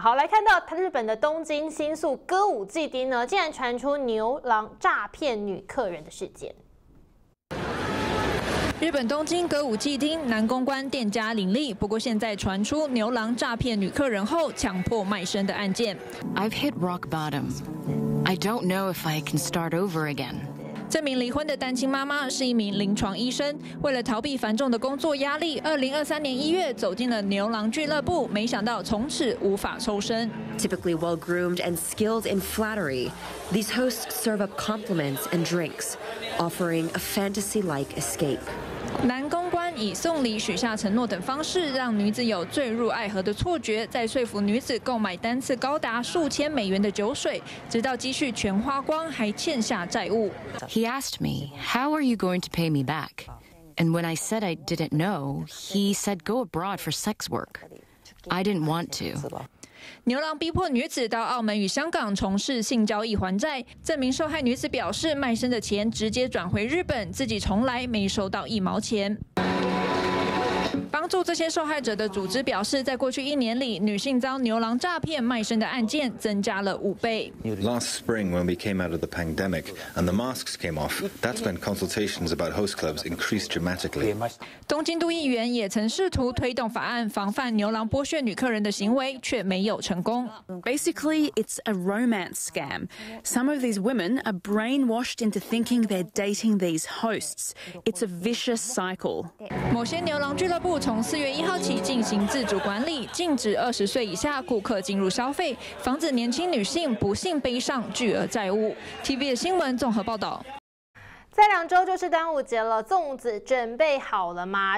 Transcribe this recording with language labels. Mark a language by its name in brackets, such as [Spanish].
[Chinese] 好，来看到日本的东京新宿歌舞伎町呢，竟然传出牛郎诈骗女客人的事件。日本东京歌舞伎町男公关店家林立，不过现在传出牛郎诈骗女客人后强迫卖身的案件。 [English] I've hit rock bottom. I don't know if I can start over again. [Chinese] 这名离婚的单亲妈妈是一名临床医生，为了逃避繁重的工作压力，2023年1月走进了牛郎俱乐部，没想到从此无法抽身。 [English] Typically well groomed and skilled in flattery, these hosts serve up compliments and drinks. Offering a fantasy-like escape. [Chinese] 男公关以送礼、许下承诺等方式，让女子有坠入爱河的错觉，再说服女子购买单次高达数千美元的酒水，直到积蓄全花光，还欠下债务。 [English] He asked me, "How are you going to pay me back?" And when I said I didn't know, he said, "Go abroad for sex work." I didn't want to. [Chinese] 牛郎逼迫女子到澳门与香港从事性交易还债。这名受害女子表示，卖身的钱直接转回日本，自己从来没收到一毛钱。帮助这些受害者的组织表示，在过去一年里，女性遭牛郎诈骗卖身的案件增加了5倍。 [English] Last spring, when we came out of the pandemic and the masks came off, that's when consultations about host clubs increased dramatically. [Chinese] 东京都议员也曾试图推动法案，防范牛郎剥削女客人的行为，却没有成功。 [English] Basically, it's a romance scam. Some of these women are brainwashed into thinking they're dating these hosts. It's a vicious cycle. [Chinese] 某些牛郎俱乐部从4月1号起进行自主管理，禁止20岁以下顾客进入消费，防止年轻女性不幸背上巨额债务。 TVBS 新闻综合报道。在2周就是端午节了，粽子准备好了吗？